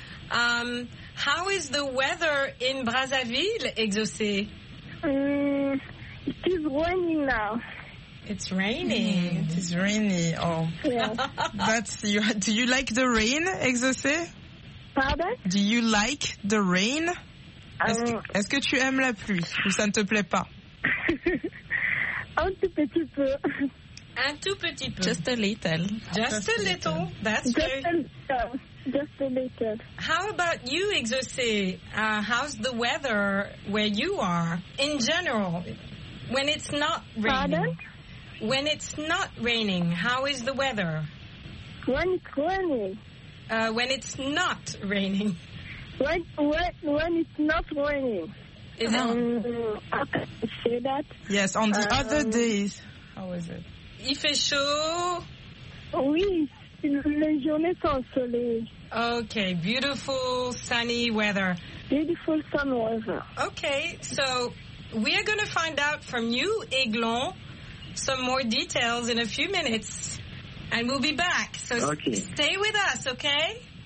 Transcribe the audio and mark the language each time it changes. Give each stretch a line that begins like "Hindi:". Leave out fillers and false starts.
English: How is the weather in Brazzaville, Exocé? It is raining now. It's raining. Mm. It is rainy. Oh. Yeah. Do you like the rain, Exocé? Pardon? Do you like the rain?
French: Est-ce que tu aimes la pluie ou ça ne te plaît pas? Un tout petit peu. Un tout petit peu.
English: Just a little. Just a little. That's very... Just a little. How about you, Exocé? How's the weather where you are in general? When it's not raining? Pardon? When it's not raining, how is the weather? When it's raining. When it's not raining. When it's not raining. Is it? How can you say that? Yes, on the other days. How is it?
French: Il fait chaud. Oui. Les journées sont soleil.
English: Okay, beautiful sunny weather. Beautiful sunny weather. Okay, so we are going to find out from you, Aiglon, some more details in a few minutes. And we'll be back. So okay. Stay with us, okay?